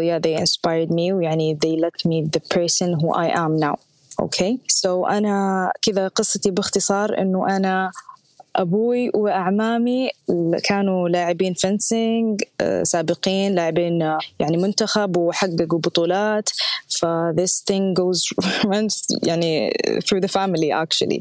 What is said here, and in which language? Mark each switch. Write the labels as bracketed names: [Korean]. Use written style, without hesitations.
[English] Yeah they inspired me، يعني they let me the person who I am now. Okay so [Arabic] أنا كذا قصتي باختصار، إنه أنا أبوي وأعمامي كانوا لاعبين فنسينج سابقين، لاعبين يعني منتخب وحققوا بطولات. [English] ف this thing goes runs يعني through the family actually.